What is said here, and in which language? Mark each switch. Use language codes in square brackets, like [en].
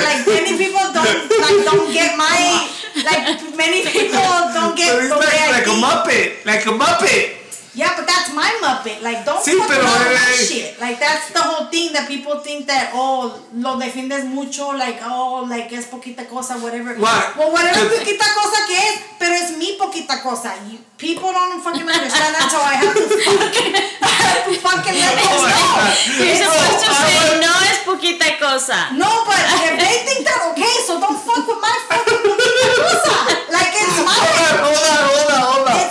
[en] Like, many people don't get my... Like, many people don't get the way I like eat. A Muppet. Like a Muppet. Yeah, but that's my Muppet. Like, don't fucking love that shit. Like, that's the whole thing that people think that, oh, [es] lo defiendes mucho. [en] Like, oh, like, [es] es poquita cosa, [en] whatever. What? Well, whatever [es] poquita cosa que es, pero es mi poquita cosa. [en] People don't fucking understand that, so I have to fucking let them know. You're supposed to say, [es] no es poquita cosa. [en] No, but if they think that, okay, so don't fuck with my fucking... Like, it's my shit. Hold on. It's